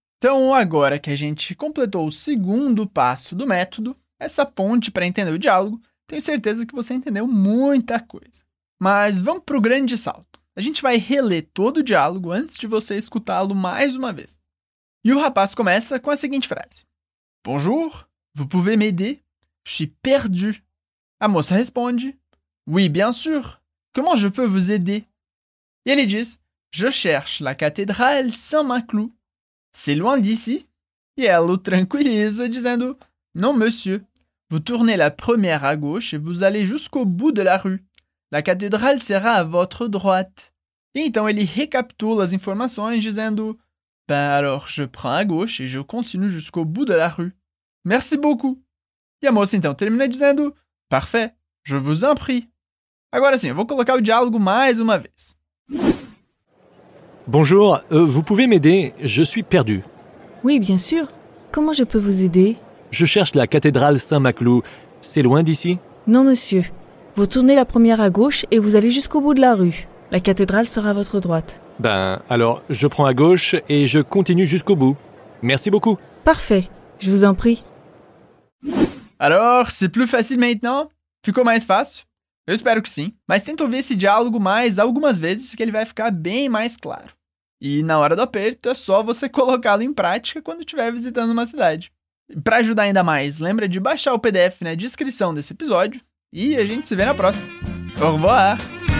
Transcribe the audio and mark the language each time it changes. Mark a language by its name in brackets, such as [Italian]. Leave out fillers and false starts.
[Portuguese] Então, agora que a gente completou o segundo passo do método, essa ponte para entender o diálogo, tenho certeza que você entendeu muita coisa. Mas vamos para o grande salto. A gente vai reler todo o diálogo antes de você escutá-lo mais uma vez. E o rapaz começa com a seguinte frase. [French] Bonjour, vous pouvez m'aider? Je suis perdu. [Portuguese] A moça responde. [French] Oui, bien sûr. Comment je peux vous aider? [Portuguese] E ele diz. [French] Je cherche la cathédrale Saint-Maclou. C'est loin d'ici. [Portuguese] E ela o tranquiliza, dizendo. [French] Non, monsieur. Vous tournez la première à gauche et vous allez jusqu'au bout de la rue. La cathédrale sera à votre droite. [Portuguese] E então ele recapitula as informações, dizendo. [French] Ben alors, je prends à gauche et je continue jusqu'au bout de la rue. Merci beaucoup. [Portuguese] E a moça então termina dizendo. [French] Parfait. Je vous en prie. [Portuguese] Agora sim, eu vou colocar o diálogo mais uma vez. [French] Bonjour, vous pouvez m'aider? Je suis perdu. Oui, bien sûr. Comment je peux vous aider? Je cherche la cathédrale Saint-Maclou. C'est loin d'ici? Non, monsieur. Vous tournez la première à gauche et vous allez jusqu'au bout de la rue. La cathédrale sera à votre droite. Ben, alors, je prends à gauche et je continue jusqu'au bout. Merci beaucoup. Parfait. Je vous en prie. Alors, c'est plus facile maintenant? [Portuguese] Ficou mais fácil? Eu espero que sim, mas tenta ouvir esse diálogo mais algumas vezes que ele vai ficar bem mais claro. E na hora do aperto, é só você colocá-lo em prática quando estiver visitando uma cidade. Para ajudar ainda mais, lembra de baixar o PDF na descrição desse episódio e a gente se vê na próxima. [French] Au revoir!